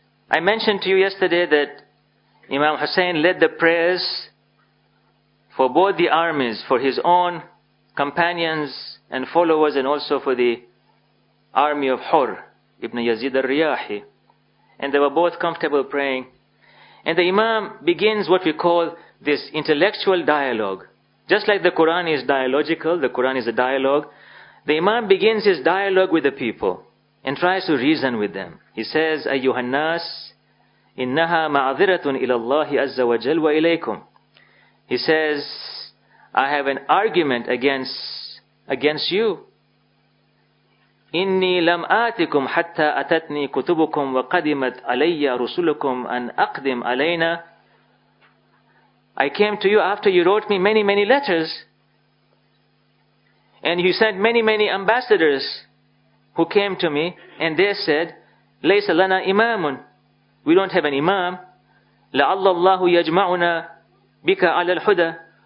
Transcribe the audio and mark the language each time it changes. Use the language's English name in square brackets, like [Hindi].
[English] I mentioned to you yesterday that Imam Hussein led the prayers for both the armies, for his own companions and followers, and also for the army of Hur Ibn Yazid al-Riyahi. And they were both comfortable praying. And the Imam begins what we call this intellectual dialogue. Just like the Quran is dialogical, the Quran is a dialogue. The Imam begins his dialogue with the people and tries to reason with them. He says, [Arabic] أيها الناس إنها معذرة إلى الله عز وجل وإليكم. [English] He says, I have an argument against you. [Arabic] إني لم آتكم حتى أتتني كتبكم وقدمت علي رسلكم أن أقدم علينا. [English] I came to you after you wrote me many, many letters. And you sent many, many ambassadors who came to me, and they said, [Arabic] ليس لنا إمام. [English] we don't have an imam. [Arabic] لَعَلَّ اللَّهُ يَجْمَعُنَا بِكَ عَلَى الْحُدَى.